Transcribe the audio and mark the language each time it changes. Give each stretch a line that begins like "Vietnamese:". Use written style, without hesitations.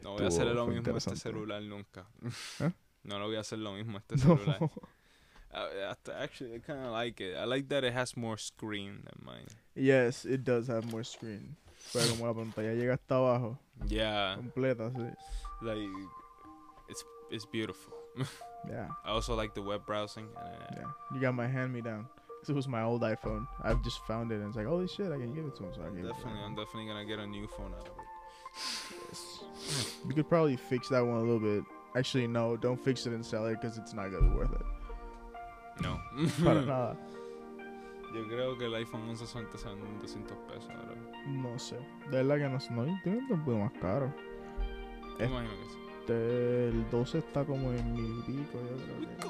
Spanish: No voy a hacer lo mismo este celular nunca. No lo voy a hacer lo mismo este celular.
English: Actually, I kind of like it. I like that it has more screen than mine. Yes, it does have more screen.
Spanish: Pero como la pantalla llega hasta abajo.
English: Yeah.
Spanish: Completa, sí.
English: Like, it's beautiful. Yeah. I also like the web browsing. Yeah. You got my hand-me-down. It was my old iPhone. I've just found it and it's like, holy shit, I can give it to him. So I'm definitely gonna get a new phone out of it. Yes. You could probably fix that one a little bit. Actually, no, don't fix it and sell it because it's not gonna be worth it. No.
Spanish: Para nada. Yo creo que el iPhone 11 suelta a $200 ahora. No sé. De verdad que no sé. No, tiene un poco más caro. Imagínate. El 12 está como en mil pico, yo creo.